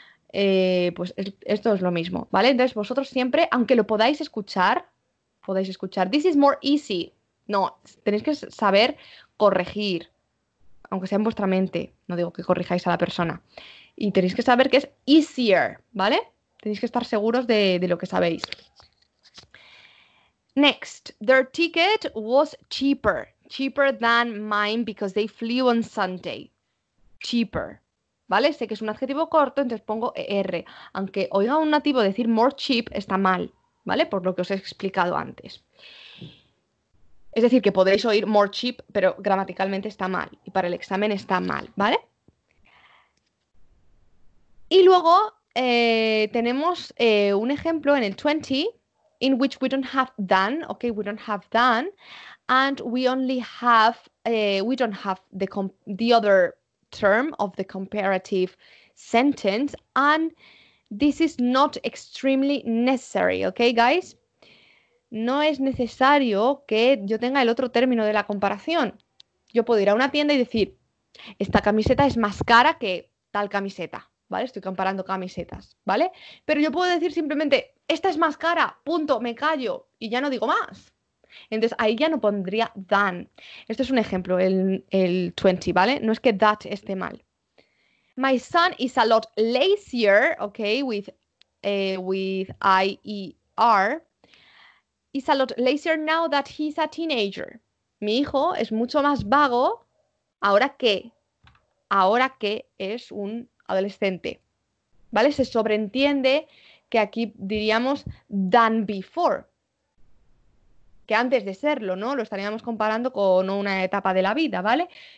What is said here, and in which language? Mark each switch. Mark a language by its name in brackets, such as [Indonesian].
[Spanish] Pues esto es lo mismo, ¿vale? Entonces vosotros siempre, aunque lo podáis escuchar, podéis escuchar, [English] this is more easy. [Spanish] No, tenéis que saber corregir, aunque sea en vuestra mente. No digo que corrijáis a la persona. Y tenéis que saber que es easier, ¿vale? Tenéis que estar seguros de lo que sabéis. [English] Next, their ticket was cheaper. Cheaper than mine because they flew on Sunday. Cheaper. ¿Vale? [Spanish] Sé que es un adjetivo corto, entonces pongo ER. Aunque oiga un nativo decir more cheap, está mal, ¿vale? Por lo que os he explicado antes. Es decir, que podréis oír more cheap, pero gramaticalmente está mal. Y para el examen está mal, ¿vale? Y luego tenemos un ejemplo en el 20, [English] in which we don't have done, [Spanish] ¿ok? [English] We don't have done, and we only have, we don't have the other term of the comparative sentence, and this is not extremely necessary, okay, guys? [Spanish] No es necesario que yo tenga el otro término de la comparación. Yo puedo ir a una tienda y decir, esta camiseta es más cara que tal camiseta, ¿vale? Estoy comparando camisetas, ¿vale? Pero yo puedo decir simplemente, esta es más cara, punto, me callo, y ya no digo más. Entonces, ahí ya no pondría than. Esto es un ejemplo, el 20, ¿vale? No es que that esté mal. [English] My son is a lot lazier, ¿ok? With I-E-R. Is a lot lazier now that he's a teenager. [Spanish] Mi hijo es mucho más vago ahora que es un adolescente, ¿vale? Se sobreentiende que aquí diríamos [English] than before. [Spanish] Que antes de serlo, ¿no? Lo estaríamos comparando con una etapa de la vida, ¿vale?